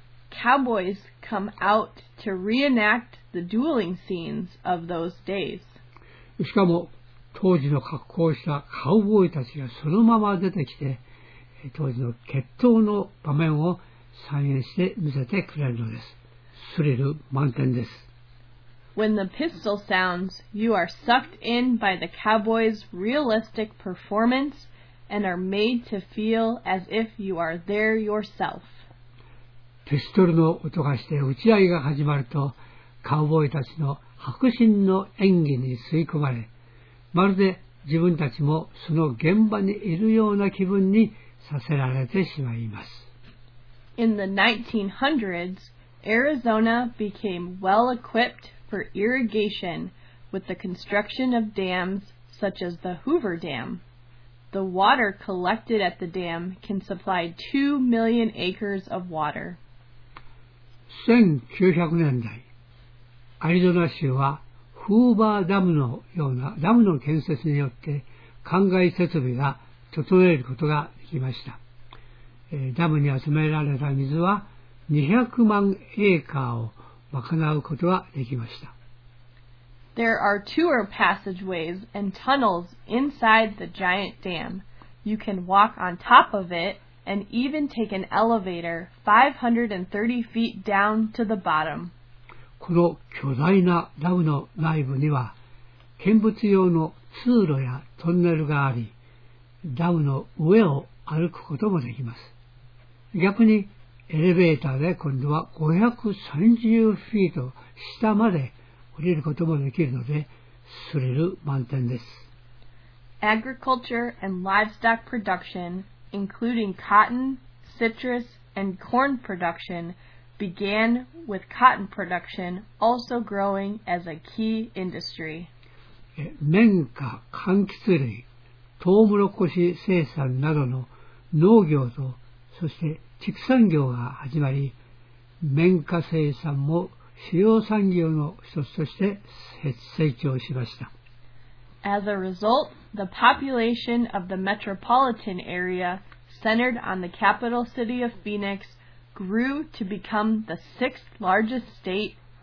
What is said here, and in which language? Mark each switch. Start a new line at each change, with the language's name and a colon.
English: Cowboys come out to reenact the dueling scenes of those days.
Japanese: しかも当時の格好をしたカウボーイたちがそのまま出てきて当時の決闘の場面を再現して見せてくれるのです。スリル満点です。
English: When the pistol sounds, you are sucked in by the cowboy's realistic performance and are made to feel as if you are there yourself.
Japanese: ピストルの音がして打ち合いが始まると、カウボーイたちの迫真の演技に吸い込まれ、まるで自分たちもその現場にいるような気分にさせられてしまいます。
English: In the 1900s, Arizona became well-equipped for irrigation with the construction of dams such as the Hoover Dam. The water collected at the dam can supply 2 million acres of water.
Japanese: 1900年代、アリゾナ州はフーバーダムのようなダムの建設によって灌溉設備が整えることができました。ダムに集められた水は200万エーカーを賄うことができました。
English: There are tour passageways and tunnels inside the giant dam. You can walk on top of it and even take an elevator 530 feet down to the bottom.
Japanese: この巨大なダムの内部には見物用の通路やトンネルがあり、ダムの上を歩くこともできます。逆にエレベーターで今度は530フィート下まで降りることもできるので、スリル満点です。
English: Agriculture and livestock production, including cotton, citrus, and corn production, began with cotton production also growing as a key industry.
Japanese: 綿花、柑橘類、トウモロコシ生産などの農業と、そして畜産業が始まり、綿花生産も主要産業の一つとして成長しました。
English: As a result, the population of the metropolitan area centered on the capital city of Phoenix grew to become the sixth largest state.